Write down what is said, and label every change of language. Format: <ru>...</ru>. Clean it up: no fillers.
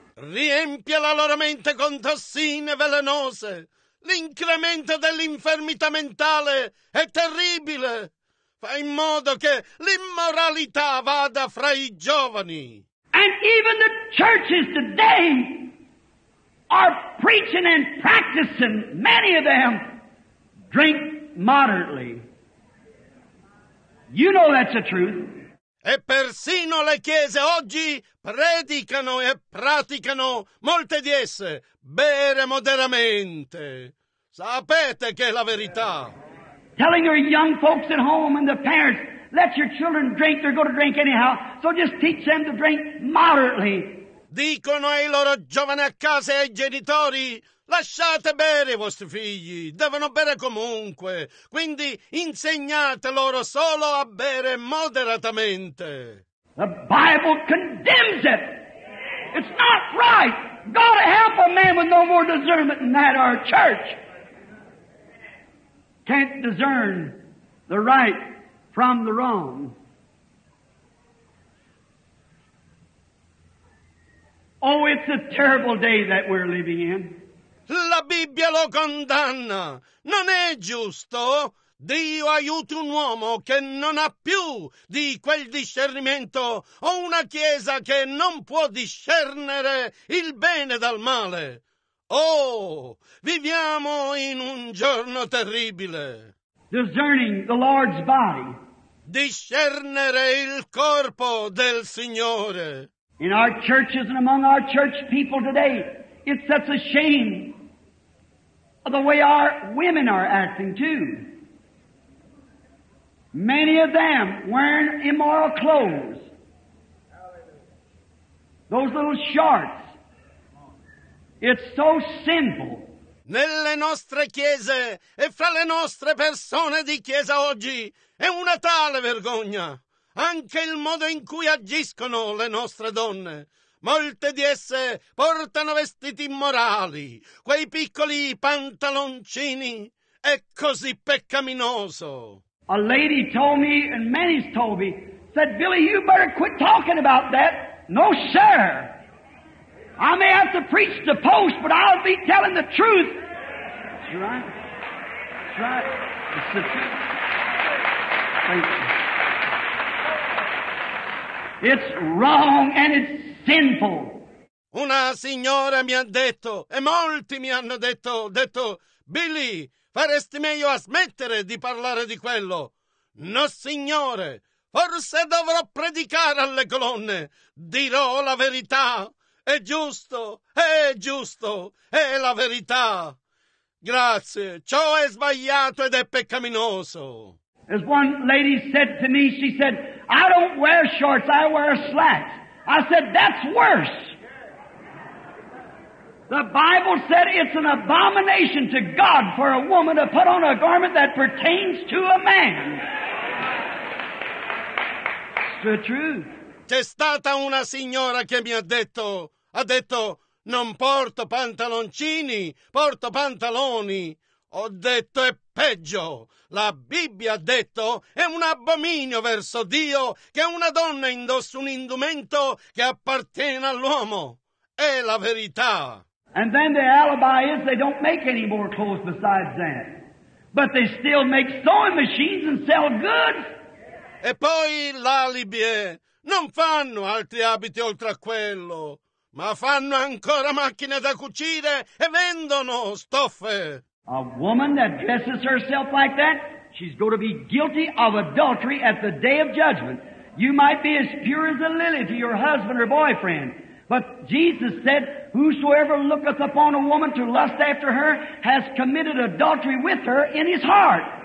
<it>Riempie la loro mente con tossine velenose. L'incremento dell'infermità mentale è terribile. Fa in modo che l'immoralità vada fra i giovani.</it> <en>And even the churches today are preaching and practicing, many of them, drink moderately. You know that's the truth.</en> <it>E persino le chiese oggi predicano e praticano, molte di esse, bere moderatamente. Sapete che è la verità.</it> <en>Telling your young folks at home and the parents, let your children drink, they're going to drink anyhow, so just teach them to drink moderately.</en> <it>Dicono ai loro giovani a casa e ai genitori, lasciate bere i vostri figli, devono bere comunque, quindi insegnate loro solo a bere moderatamente.</it> <en>The Bible condemns it. It's not right. God help a man with no more discernment than that, our church. Can't discern the right from the wrong. Oh, it's a terrible day that we're living in.</en> <it>La Bibbia lo condanna. Non è giusto. Dio aiuti un uomo che non ha più di quel discernimento o una chiesa che non può discernere il bene dal male. Oh, viviamo in un giorno terribile.</it> <en>Discerning the Lord's body.</en> <it>Discernere il corpo del Signore.</it> <en>In our churches and among our church people today, it's such a shame of the way our women are acting too. Many of them wearing immoral clothes. Those little shorts. It's so sinful.</en> <it>Nelle nostre chiese e fra le nostre persone di chiesa oggi è una tale vergogna. Anche il modo in cui agiscono le nostre donne. Molte di esse portano vestiti immorali, quei piccoli pantaloncini. È così peccaminoso.</it> <en>A lady told me, and many told me, said, Billy, you better quit talking about that. No, sir. I may have to preach the post, but I'll be telling the truth. That's right. That's right. That's the truth. Thank you. It's wrong and it's sinful.</en> <it>Una signora mi ha detto, e molti mi hanno detto, Billy, faresti meglio a smettere di parlare di quello. No, signore, forse dovrò predicare alle colonne. Dirò la verità. È giusto, è giusto, è la verità. Grazie, ciò è sbagliato ed è peccaminoso.</it> <en>As one lady said to me, she said, I don't wear shorts, I wear slacks. I said, that's worse. The Bible said it's an abomination to God for a woman to put on a garment that pertains to a man. It's the truth.</en> <it>C'è stata una signora che mi ha detto, non porto pantaloncini, porto pantaloni. Ho detto, è peggio. La Bibbia ha detto, è un abominio verso Dio che una donna indossi un indumento che appartiene all'uomo. È la verità.</it> <en>And then the alibi is they don't make any more clothes besides that. But they still make sewing machines and sell goods.</en> <it>E poi l'alibi è, non fanno altri abiti oltre a quello. Ma fanno ancora macchine da cucire e vendono stoffe.</it> <en>A woman that dresses herself like that, she's going to be guilty of adultery at the day of judgment. You might be as pure as a lily to your husband or boyfriend, but Jesus said, whosoever looketh upon a woman to lust after her has committed adultery with her in his heart.</en>